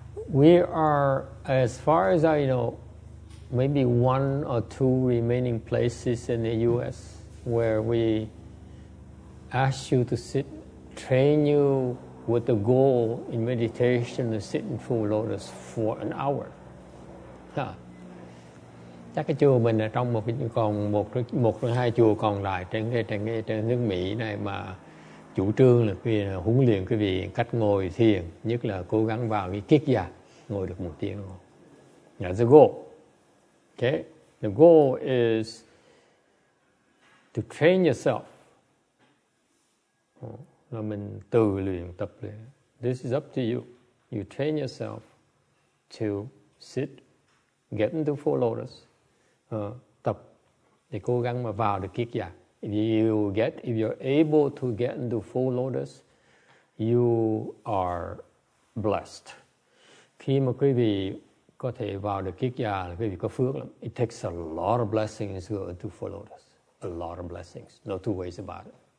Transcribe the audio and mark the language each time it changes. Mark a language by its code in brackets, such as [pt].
[en] We are, as far as I know, maybe one or two remaining places in the U.S. where we ask you to sit, train you with the goal in meditation to sit in full lotus for an hour. [vi] Chắc cái chùa mình là trong một cái còn một trong hai chùa còn lại trên nước Mỹ này mà chủ trương là vì huấn luyện cái vị cách ngồi thiền, nhất là cố gắng vào cái kiết già ngồi được một tiếng. [en] That's the goal. Okay, the goal is to train yourself. [vi] Là mình tự luyện tập luyện. [en] This is up to you. You train yourself to sit, get into full lotus. [vi] Tập để cố gắng mà vào được kiết già. [en] If you're able to get into full lotus, you are blessed. [vi] Khi mà quý vị có thể vào được kiết già là quý vị có phước lắm. [en] It takes a lot of blessings to go into full lotus. A lot of blessings. No two ways about it.